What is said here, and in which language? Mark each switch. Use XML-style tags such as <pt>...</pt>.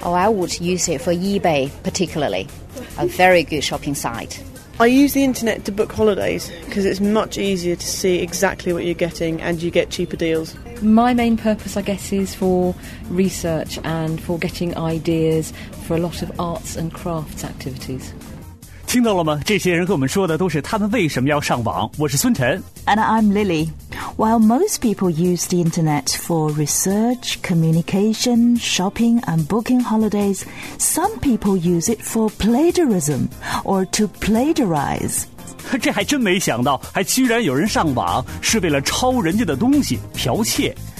<en>Oh, I would use it for eBay particularly, a very good shopping site. I use the internet to book holidays because it's much easier to see exactly what you're getting and you get cheaper deals. My main purpose, I guess, is for research and for getting ideas for a lot of arts and crafts activities.</en> <zh>听到了吗？这些人跟我们说的都是他们为什么要上网。我是孙晨。</zh> <en>And I'm Lily. While most people use the internet for research, communication, shopping and booking holidays, some people use it for plagiarism or to plagiarize.</en> <zh>这还真没想到，还居然有人上网是为了抄人家的东西，剽窃。</zh>